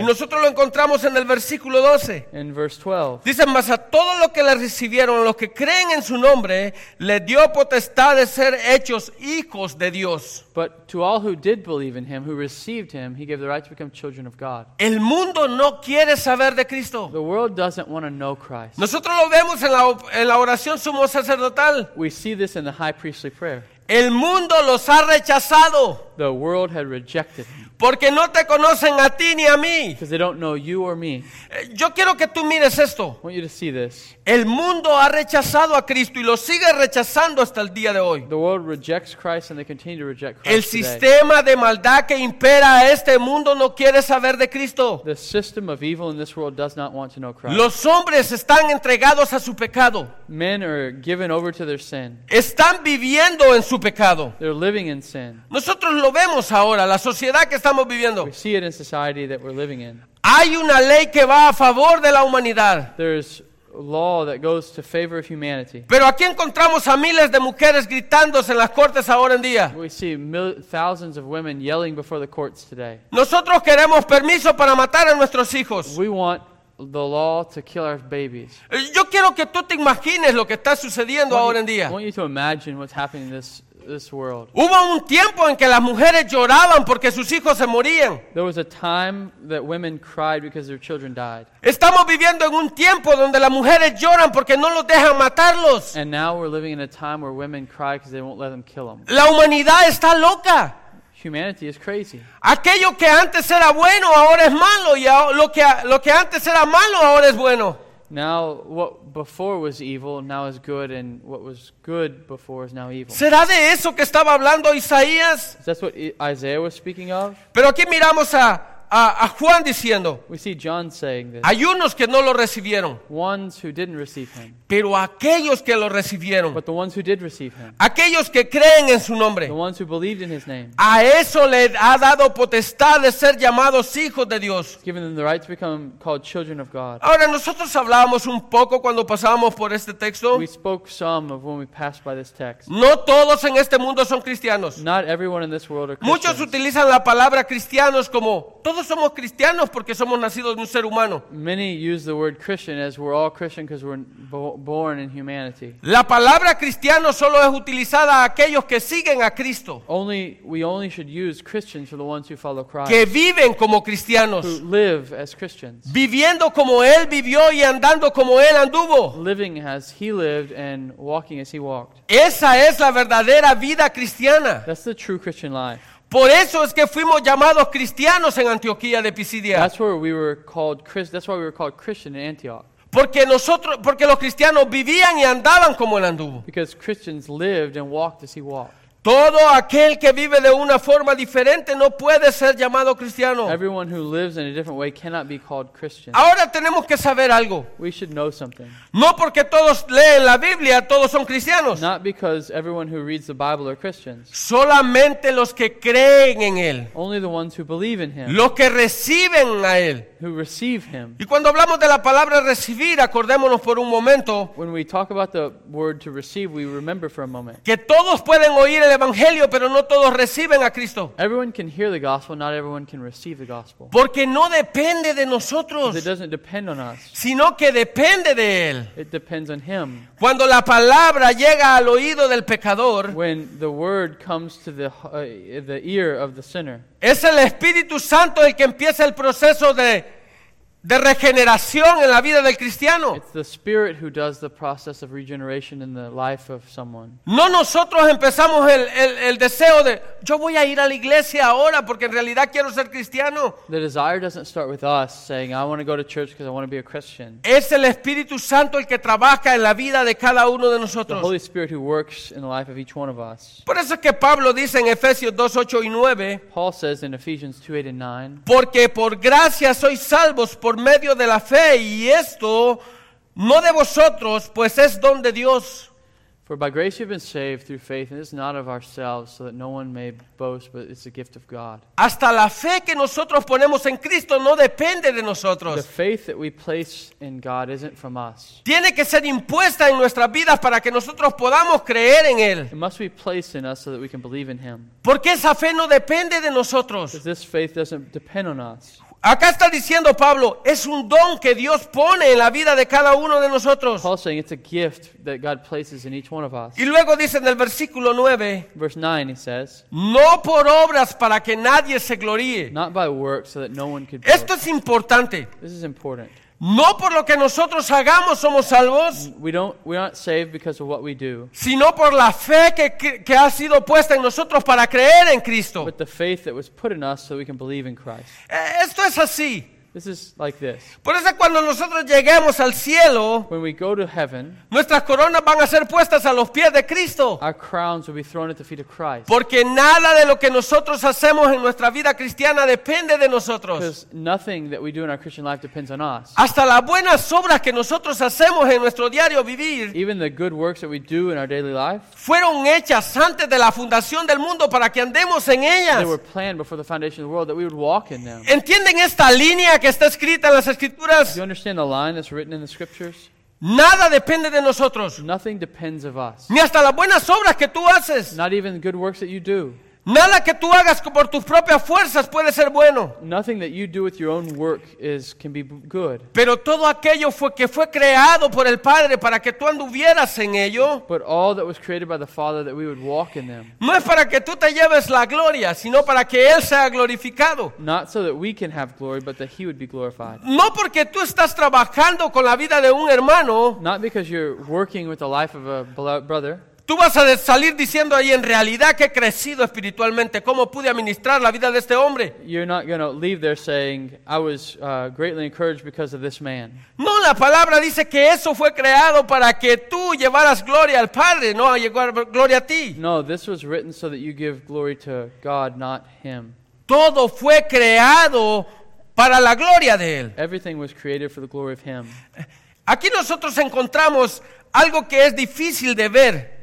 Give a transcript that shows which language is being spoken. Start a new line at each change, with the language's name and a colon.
Spanish: Y nosotros lo encontramos en el versículo 12.
English: In verse 12.
Spanish: Dice, mas a todos los que le recibieron, los que creen en su nombre, le dio potestad de ser hechos hijos de Dios.
English: But to all who did believe in him, who received him, he gave the right to become children of God.
Spanish: El mundo no quiere saber de Cristo.
English: The world doesn't want to know Christ.
Spanish: Nosotros lo vemos en la oración sumo sacerdotal.
English: We see this in the high priestly prayer.
Spanish: El mundo los ha rechazado.
English: The world had rejected me.
Spanish: Porque no te conocen a ti ni a mí.
English: Because they don't know you or me.
Spanish: Yo quiero que tú mires esto.
English: I want you to see this.
Spanish: El mundo ha rechazado a Cristo y lo sigue rechazando hasta el día de hoy.
English: The world rejects Christ and they continue to reject Christ.
Spanish: El sistema
English: today.
Spanish: De maldad que impera a este mundo no quiere saber de Cristo.
English: The system of evil in this world does not want to know Christ.
Spanish: Los hombres están entregados a su pecado.
English: Men are given over to their sin.
Spanish: Están viviendo en su pecado.
English: They're living in sin.
Spanish: Nosotros lo vemos ahora, la sociedad que estamos viviendo.
English: We see it in society that we're living in.
Spanish: Hay una ley que va a favor de la humanidad.
English: There's law that goes to favor of humanity.
Spanish: Pero aquí encontramos a miles de mujeres gritándose en las cortes ahora en día.
English: We see thousands of women yelling before the courts today.
Spanish: Nosotros queremos permiso para matar a nuestros hijos.
English: We want the law to kill our babies.
Spanish: Yo quiero que tú te imagines lo que está sucediendo ahora en día.
English: I want you to imagine what's happening in this world.
Spanish: Hubo un tiempo en que las mujeres lloraban porque sus hijos se morían.
English: There was a time that women cried because their children died.
Spanish: Estamos viviendo en un tiempo donde las mujeres lloran porque no los dejan matarlos.
English: And now we're living in a time where women cry because they won't let them kill them.
Spanish: La humanidad está loca.
English: Humanity is crazy.
Spanish: Aquello que antes era bueno ahora es malo, y lo que antes era malo ahora es bueno.
English: Now what before was evil now is good, and what was good before is now evil.
Spanish: ¿Será de eso que estaba hablando Isaías?
English: Is that what Isaiah was speaking of?
Spanish: Pero aquí miramos a Juan diciendo.
English: We see John saying this.
Spanish: Hay unos que no lo recibieron.
English: Ones who didn't receive him.
Spanish: Pero aquellos que lo recibieron.
English: But the ones who did receive him.
Spanish: Aquellos que creen en su nombre.
English: The ones who believed in his name.
Spanish: A eso le ha dado potestad de ser llamados hijos de Dios.
English: Given them the right to become called children of God.
Spanish: Ahora nosotros hablábamos un poco cuando pasábamos por este texto.
English: We spoke some of when we passed by this text.
Spanish: No todos en este mundo son cristianos.
English: Not everyone in this world are Christians.
Spanish: Muchos utilizan la palabra cristianos como todos somos cristianos porque somos nacidos de un ser humano.
English: Many use the word Christian as we're all Christian because we're born in humanity.
Spanish: La palabra cristiano solo es utilizada a aquellos que siguen a Cristo.
English: We only should use Christians for the ones who follow Christ.
Spanish: Que viven como cristianos.
English: Who live as Christians.
Spanish: Viviendo como él vivió y andando como él anduvo.
English: Living as he lived and walking as he walked.
Spanish: Esa es la verdadera vida cristiana.
English: That's the true Christian life.
Spanish: Por eso es que fuimos llamados cristianos en Antioquía de Pisidia.
English: That's why we were called Christian in Antioch.
Spanish: Porque los cristianos vivían y andaban como él anduvo.
English: Because Christians lived and walked as he walked.
Spanish: Todo aquel que vive de una forma diferente no puede ser llamado cristiano.
English: Everyone who lives in a different way cannot be called Christian.
Spanish: Ahora tenemos que saber algo.
English: We should know something.
Spanish: No porque todos leen la Biblia todos son cristianos.
English: Not because everyone who reads the Bible are Christians.
Spanish: Solamente los que creen en él.
English: Only the ones who believe in him.
Spanish: Los que reciben a él.
English: Who receive him.
Spanish: Y cuando hablamos de la palabra recibir, acordémonos por un momento.
English: When we talk about the word to receive, we remember for a moment.
Spanish: Que todos pueden oír el evangelio, pero no todos reciben a Cristo.
English: Everyone can hear the gospel, not everyone can receive the gospel.
Spanish: Porque no depende de nosotros.
English: It doesn't depend on us.
Spanish: Sino que depende de él.
English: It depends on him.
Spanish: Cuando la palabra llega al oído del pecador,
English: when the word comes to the ear of the sinner,
Spanish: es el Espíritu Santo el que empieza el proceso de regeneración en la vida del cristiano.
English: It's the spirit who does the process of regeneration in the life of someone.
Spanish: No nosotros empezamos el deseo de yo voy a ir a la iglesia ahora porque en realidad quiero ser cristiano.
English: The desire doesn't start with us saying I want to go to church because I want to be a Christian.
Spanish: Es el Espíritu Santo el que trabaja en la vida de cada uno de nosotros.
English: The Holy Spirit who works in the life of each one of us.
Spanish: Por eso es que Pablo dice en Efesios 2:8-9.
English: Paul says in Ephesians 2:8-9.
Spanish: Porque por gracia sois salvos por medio de la fe, y esto no de vosotros, pues es don de Dios.
English: For by grace you have been saved through faith, and it's not of ourselves, so that no one may boast, but it's a gift of God.
Spanish: Hasta la fe que nosotros ponemos en Cristo no depende de nosotros.
English: The faith that we place in God isn't from us.
Spanish: Tiene que ser impuesta en nuestras vidas para que nosotros podamos creer en él.
English: It must be placed in us so that we can believe in him.
Spanish: Porque esa fe no depende de nosotros.
English: Because this faith doesn't depend on us.
Spanish: Acá está diciendo Pablo, es un don que Dios pone en la vida de cada uno de nosotros.
English: Paul saying it's a gift that God places in each one of us.
Spanish: Y luego dice en el versículo 9,
English: verse 9 he says,
Spanish: no por obras para que nadie se gloríe.
English: Not by works so that no one could.
Spanish: Esto es importante.
English: This is important.
Spanish: No por lo que nosotros hagamos somos salvos.
English: We aren't saved because of what we do.
Spanish: Sino por la fe que ha sido puesta en nosotros para creer en Cristo.
English: But the faith that was put in us so we can believe in Christ.
Spanish: Esto es así.
English: This is like this.
Spanish: Por eso cuando nosotros lleguemos al cielo,
English: when we go to heaven,
Spanish: nuestras coronas van a ser puestas a los pies de Cristo.
English: Our crowns will be thrown at the feet of Christ.
Spanish: Porque nada de lo que nosotros hacemos en nuestra vida cristiana depende de nosotros.
English: Because nothing that we do in our Christian life depends on us.
Spanish: Hasta las buenas obras que nosotros hacemos en nuestro diario vivir,
English: even the good works that we do in our daily life,
Spanish: fueron hechas antes de la fundación del mundo para que andemos en ellas.
English: They were planned before the foundation of the world that we would walk in them.
Spanish: ¿Entienden esta línea que está escrita en las escrituras?
English: Do you understand the line that's written in the scriptures?
Spanish: Nada depende de nosotros.
English: Nothing depends of us.
Spanish: Ni hasta las buenas obras que tú haces.
English: Not even the good works that you do.
Spanish: Nada que tú hagas por tus propias fuerzas puede ser bueno.
English: Nothing that you do with your own work is can be good.
Spanish: Pero todo aquello fue creado por el Padre para que tú anduvieras en ello.
English: But all that was created by the Father that we would walk in them.
Spanish: No es para que tú te lleves la gloria, sino para que él sea glorificado.
English: Not so that we can have glory, but that he would be glorified.
Spanish: No porque tú estás trabajando con la vida de un hermano.
English: Not because you're working with the life of a brother.
Spanish: Tú vas a salir diciendo ahí en realidad que he crecido espiritualmente, cómo pude administrar la vida de este hombre.
English: You're not going to leave there saying I was greatly encouraged because of this man.
Spanish: No, la palabra dice que eso fue creado para que tú llevaras gloria al Padre, no a llevar gloria a ti.
English: No, this was written so that you give glory to God, not him.
Spanish: Todo fue creado para la gloria de él.
English: Everything was created for the glory of him.
Spanish: Aquí nosotros encontramos algo que es difícil de ver.